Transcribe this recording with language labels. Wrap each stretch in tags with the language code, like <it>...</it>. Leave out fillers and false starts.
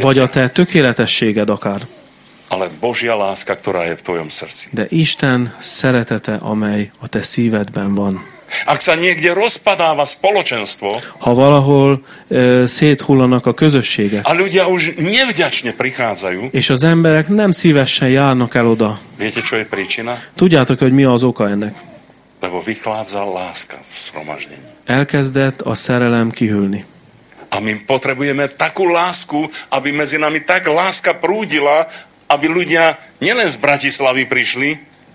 <hu>Vagy a te tökéletességed akár.</hu> <sk>Ale Božia láska, ktorá je v tvojom srdci.</sk> <hu>De Isten szeretete, amely a te szívedben van.</hu> <sk>Ak sa niekde rozpadáva spoločenstvo,</sk> <hu>ha valahol széthullanak a közösségek,</hu> <sk>a ľudia už nevďačne prichádzajú,</sk> <hu>és az emberek nem szívesen járnak el oda.</hu> <sk>Viete, čo je príčina?</sk> <hu>Tudjátok, hogy mi az oka ennek?</hu> <sk>Lebo vychládza láska v zhromaždení.</sk> <hu>Elkezdett a szerelem kihűlni.</hu> <sk>A my potrebujeme takú lásku, aby medzi nami tak láska prúdila, aby ľudia nielen z Bratislavy prišli.</sk>